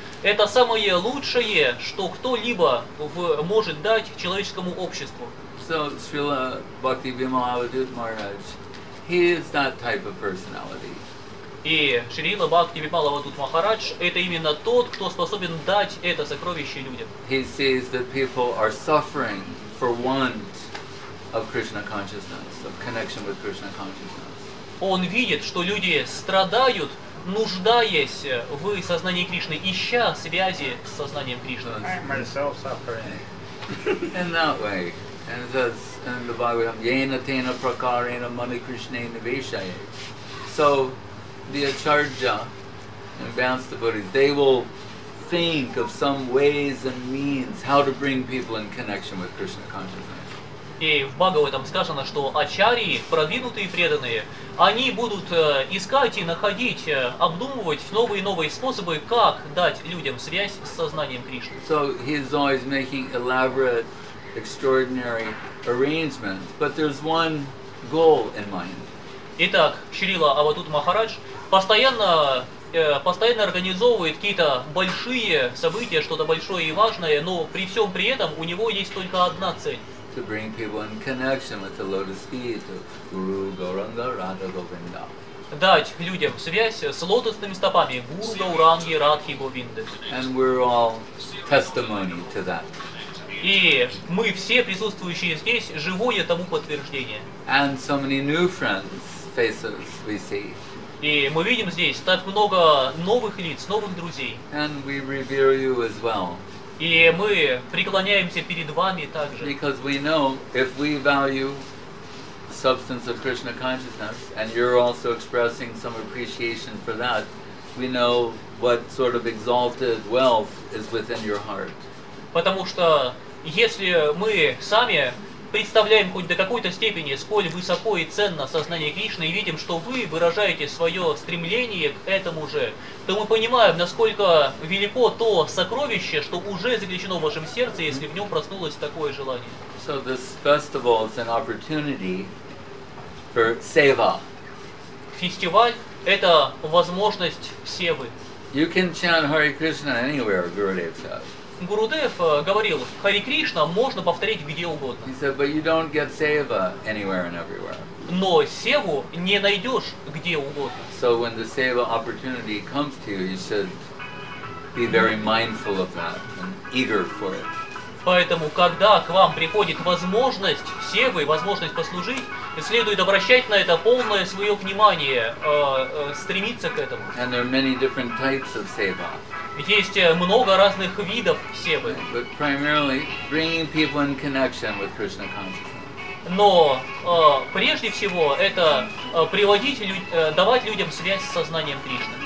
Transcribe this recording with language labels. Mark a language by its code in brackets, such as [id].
[ru] Это самое лучшее, что кто-либо может дать человеческому обществу. [en] So, Srila Bhakti Vimalavadut Maharaj, he is that type of personality. [ru] И Шрила Бхакти Вималавадут Махарадж – это именно тот, кто способен дать это сокровище людям. [en] He sees that people are suffering for want of Krishna consciousness, of connection with Krishna consciousness. [ru] Он видит, что люди страдают, нуждаясь в сознании Кришны, ища связи с сознанием Кришны. [en] I myself suffering. In that way. And it says in the Bhagavatam, [sa] yena tena prakarena mani krishne nivesaye. [en] So, the acharya, advanced devotees, they will think of some ways and means how to bring people in connection with Krishna consciousness. [ru] И в Бхагаватам сказано, что ачарьи, продвинутые преданные, они будут искать и находить, обдумывать новые и новые способы, как дать людям связь с сознанием Кришны. [en] So he is always making elaborate, extraordinary arrangements, but there's one goal in mind. [ru] Итак, Шрила Авадут Махарадж постоянно организовывает какие-то большие события, что-то большое и важное, но при всем при этом у него есть только одна цель. [en] To bring people in connection with the lotus feet of Guru Gauranga Radha Govinda. [ru] Дать людям связь с лотосными стопами Гуру Гауранги Радхи Говинды. [en] And we're all testimony to that. [ru] И мы все присутствующие здесь живое тому подтверждение. [en] And so many new friends faces we see. [ru] И мы видим здесь так много новых лиц, новых друзей. [en] And we revere you as well. [ru] И мы преклоняемся перед вами также. [en] Because we know if we value substance of Krishna consciousness and you're also expressing some appreciation for that, we know what sort of exalted wealth is within your heart. [ru] Потому что если мы сами представляем хоть до какой-то степени, сколь высоко и ценно сознание Кришны, и видим, что вы выражаете свое стремление к этому же, то мы понимаем, насколько велико то сокровище, что уже заключено в вашем сердце, если в нем проснулось такое желание. [en] So this festival is an opportunity for seva. [ru] Фестиваль – это возможность севы. [en] You can chant Hare Krishna anywhere, Gurudev says. [ru] Гурудев говорил, Хари Кришна можно повторить где угодно. [en] He said, but you don't get seva anywhere and everywhere. [ru] Но севу не найдешь где угодно. [en] So when the seva opportunity comes to you, you should be very mindful of that and eager for it. [ru] Поэтому, когда к вам приходит возможность севы, возможность послужить, следует обращать на это полное свое внимание, стремиться к этому. [en] And there are many different types of seva. [ru] Есть много разных видов севы. [en] But primarily bringing people in connection with Krishna consciousness. [ru] Но прежде всего это давать людям связь с сознанием Кришны.